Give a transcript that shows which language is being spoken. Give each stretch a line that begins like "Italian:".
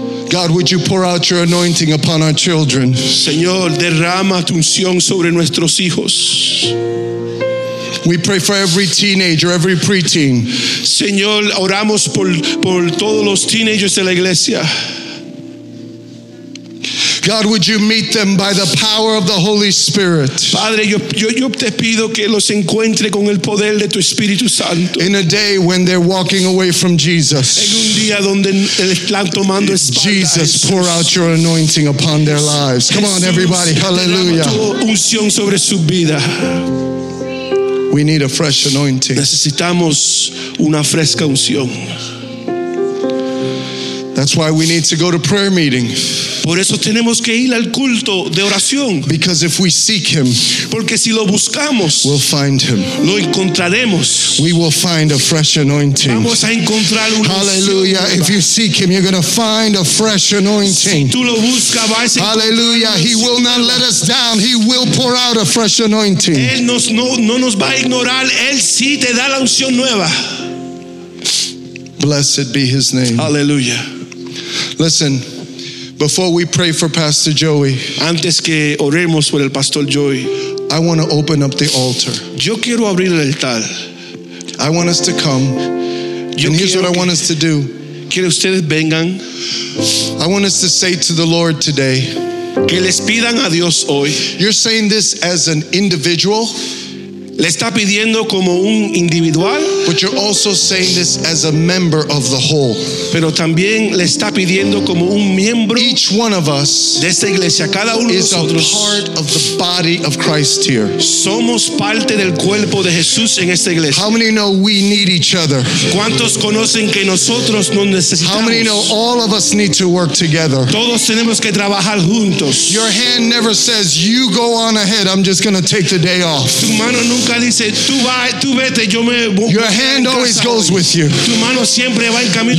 English: God, would you pour out your anointing upon our children?
Spanish: Señor, derrama tu unción sobre nuestros hijos.
English: We pray for every teenager, every preteen.
Spanish: Señor, oramos por todos los teenagers de la iglesia.
English: God, would you meet them by the power of the Holy Spirit?
Spanish: Padre, yo te pido que los encuentre con el poder de tu Espíritu Santo.
English: In a day when they're walking away from Jesus.
Spanish: En un día donde están tomando espaldas.
English: Jesus, pour out your anointing upon their lives. Come on, everybody. Hallelujah.
Spanish: Unción sobre su vida.
English: We need a fresh anointing.
Spanish: Necesitamos una fresca unción.
English: That's why we need to go to prayer meeting.
Spanish: Por eso tenemos que ir al culto de oración.
English: Because if we seek him,
Spanish: porque si lo buscamos,
English: we'll find him.
Spanish: Lo encontraremos.
English: We will find a fresh anointing.
Spanish: Vamos a encontrar una.
English: Hallelujah. If you seek him, you're going to find a fresh anointing.
Spanish: Si tú lo buscas, vas a encontrar.
English: Hallelujah. He will not let us down. He will pour out a fresh anointing.
Spanish: Él no nos va a ignorar. Él sí te da la unción nueva.
English: Blessed be his name. Hallelujah. Listen, before we pray for Pastor Joey, antes que oremos por el Pastor Joey, I want to open up the altar. Yo quiero abrir el altar. I want us to come. And here's what I want us to do.
Spanish: Quiero ustedes vengan.
English: I want us to say to the Lord today,
Spanish: que les pidan a Dios hoy.
English: You're saying this as an individual.
Spanish: Le está pidiendo como un individual,
English: but you're also saying this as a member of the whole.
Spanish: Pero también le está pidiendo como un miembro.
English: Each one of us
Spanish: de esta iglesia, cada uno
English: is
Spanish: de nosotros,
English: a part of the body of Christ here.
Spanish: Somos parte del cuerpo de Jesús en esta iglesia.
English: How many know we need each other?
Spanish: ¿Cuántos conocen que nosotros nos necesitamos?
English: How many know all of us need to work together?
Spanish: Todos tenemos que trabajar juntos.
English: Your hand never says, you go on ahead, I'm just going to take the day off.
Spanish: Tu mano nunca nunca dice, tú vas, tú vete, yo me voy.
English: Your hand always goes with you.
Spanish: Tu mano siempre va en camino.